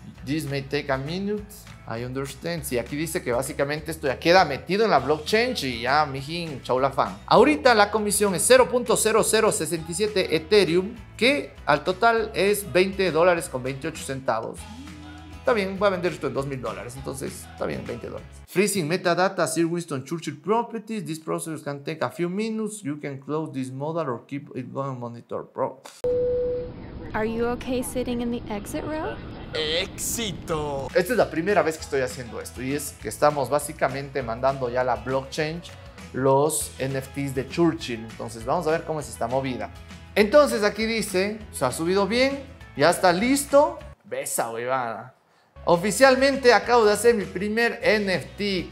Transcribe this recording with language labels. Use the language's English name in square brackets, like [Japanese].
[English] This may take a minute. I understand. [Spanish] Sí, aquí dice que básicamente esto ya queda metido en la blockchain y ya, mijín, chau la fan. Ahorita la comisión es 0.0067 Ethereum, que al total es $20.28. Está bien, voy a vender esto en $2,000, entonces está bien, $20. [English] Freezing metadata, Sir Winston Churchill Properties. This process can take a few minutes. You can close this model or keep it going on monitor. Bro. Are you okay sitting in the exit row? [Spanish] ¡Éxito! Esta es la primera vez que estoy haciendo esto y es que estamos básicamente mandando ya a la blockchain los NFTs de Churchill. Entonces vamos a ver cómo es esta movida. Entonces aquí dice, se ha subido bien, ya está listo. ¡Besa, huevada! Oficialmente acabo de hacer mi primer NFT.